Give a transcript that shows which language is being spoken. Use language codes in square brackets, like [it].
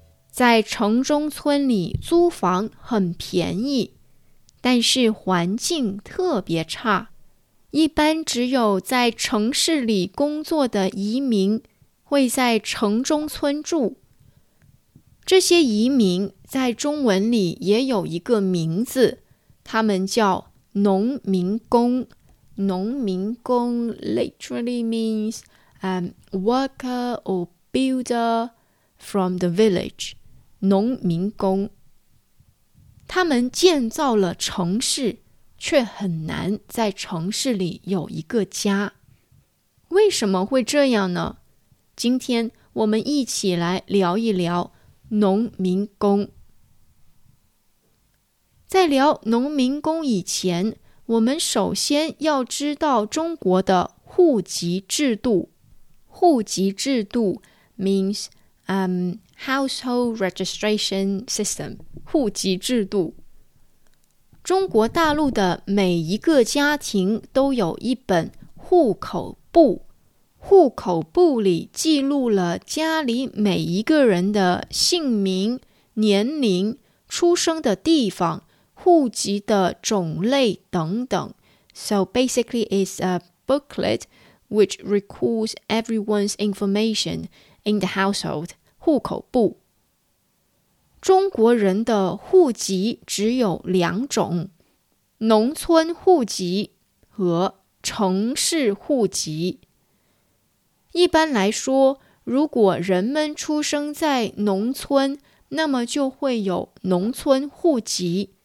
[zh] 在城中村里租房很便宜，但是环境特别差，一般只有在城市里工作的移民会在城中村住。这些移民在中文里也有一个名字，他们叫农民工。 [en] 农民工 literally means worker or builder from the village. [zh] 农民工。他们建造了城市，却很难在城市里有一个家。为什么会这样呢？今天我们一起来聊一聊农民工。在聊农民工以前，我们首先要知道中国的户籍制度。 [en] 户籍制度 means household registration system， 户籍制度。 [zh] 中国大陆的每一个家庭都有一本户口簿，户口簿里记录了家里每一个人的姓名、年龄、出生的地方、户籍的种类等等。 [en] So basically it's a booklet which records everyone's information in the household, 户口簿。 [zh] 中国人的户籍只有两种，农村户籍和城市户籍。一般来说，如果人们出生在农村，那么就会有农村户籍。